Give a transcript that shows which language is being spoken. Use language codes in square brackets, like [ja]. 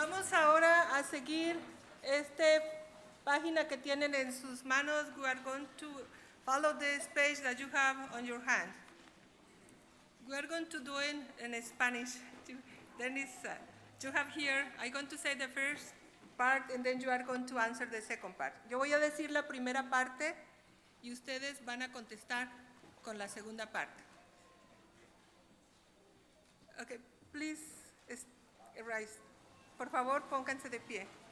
[es] Ahora a seguir esta página que tienen en sus manos. [en] We are going to follow this page that you have on your hand. We are going to do it in Spanish. Then it's, you have here, I'm going to say the first part and then you are going to answer the second part. [es] Yo voy a decir la primera parte y ustedes van a contestar con la segunda parte. [en] Okay, please rise. [es] Por favor, pónganse de pie.